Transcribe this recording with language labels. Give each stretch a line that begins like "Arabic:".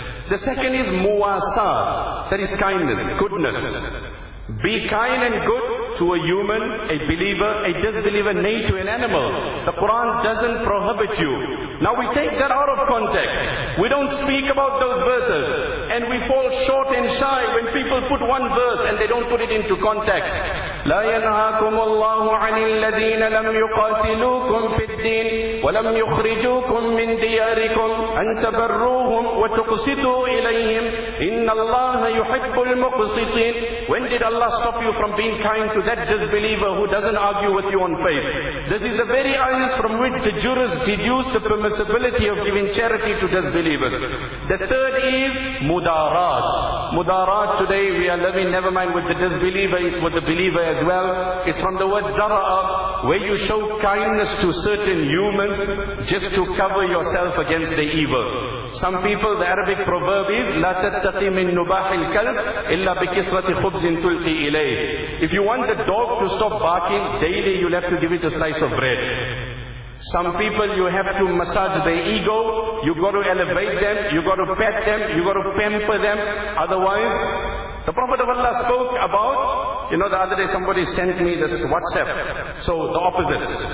English: The second is muwasa, that is kindness, goodness. Be kind and good to a human, a believer, a disbeliever, nay to an animal. The Quran doesn't prohibit you. Now we take that out of context. We don't speak about those verses. And we fall short and shy when people put one verse and they don't put it into context.
Arabic: لا ينهاكم الله عن الذين لم يقاتلوكم في الدين ولم يخرجوكم من دياركم أن تبروهم وتقسطوا إليهم إن الله يحب المقسطين.
English: When did Allah stop you from being kind to that disbeliever who doesn't argue with you on faith? This is the very ayahs from which the jurists deduce the permissibility of giving charity to disbelievers. The third is mudarat. Mudarat today we are living, never mind with the disbeliever, it's with the believer as well. It's from the word dara'a, where you show kindness to certain humans just to cover yourself against the evil. Some people, the Arabic proverb is
Arabic: لا تتقي من نباح الكلب إلا بكسرة خبز تلقي إليه.
English: If you want the dog to stop barking, daily you'll have to give it a slice of bread. Some people, you have to massage their ego, you got to elevate them, you got to pet them, you got to pamper them. Otherwise, the Prophet of Allah spoke about, you know, the other day somebody sent me this WhatsApp. So the opposites.